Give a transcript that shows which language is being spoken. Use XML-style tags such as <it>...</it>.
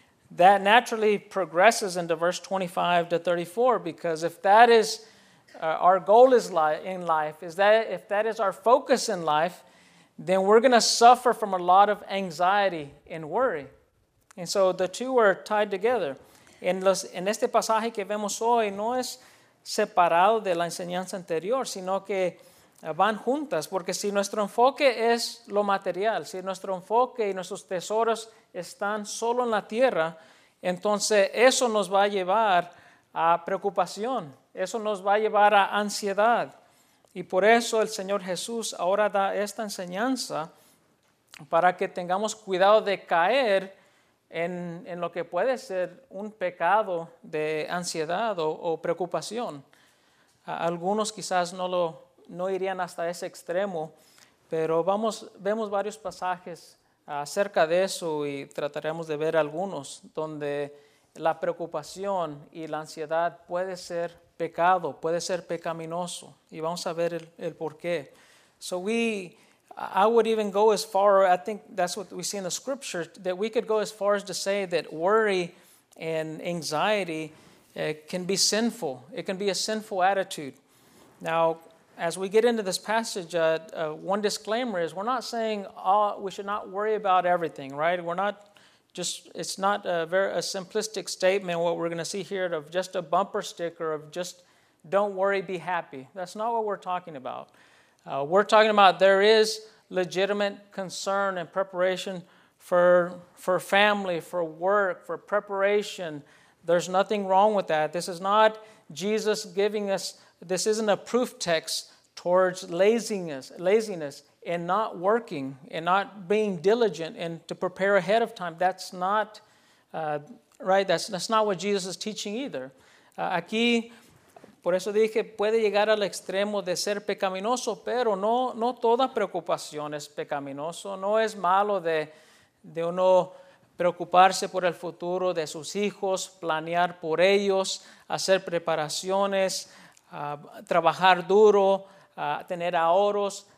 <en>That naturally progresses into verse 25 to 34, because if that is our goal is in life, is that if that is our focus in life, then we're going to suffer from a lot of anxiety and worry. And so the two are tied together.</en> <es>En este pasaje que vemos hoy no es separado de la enseñanza anterior, sino que van juntas, porque si nuestro enfoque es lo material, si nuestro enfoque y nuestros tesoros están solo en la tierra, entonces eso nos va a llevar a preocupación, eso nos va a llevar a ansiedad. Y por eso el Señor Jesús ahora da esta enseñanza para que tengamos cuidado de caer en lo que puede ser un pecado de ansiedad o preocupación. Algunos quizás no irían hasta ese extremo, pero vemos varios pasajes acerca de eso y trataremos de ver algunos donde la preocupación y la ansiedad puede ser pecado, puede ser pecaminoso, y vamos a ver el por qué.</es> <en>So I would even go as far, I think that's what we see in the scripture, that we could go as far as to say that worry and anxiety can be sinful. It can be a sinful attitude. Now, as we get into this passage, one disclaimer is we're not saying we should not worry about everything, right? It's not a simplistic statement what we're going to see here of just a bumper sticker of just don't worry, be happy. That's not what we're talking about. We're talking about there is legitimate concern and preparation for family, for work, for preparation. There's nothing wrong with that. This is not Jesus giving us, this isn't a proof text towards laziness and not working and not being diligent and to prepare ahead of time. That's not, right, that's not what Jesus is teaching either.</en> <es>Aquí, por eso dije, puede llegar al extremo de ser pecaminoso, pero no toda preocupación es pecaminoso. No es malo de uno preocuparse por el futuro de sus hijos, planear por ellos, hacer preparaciones, trabajar duro, tener ahorros.</es>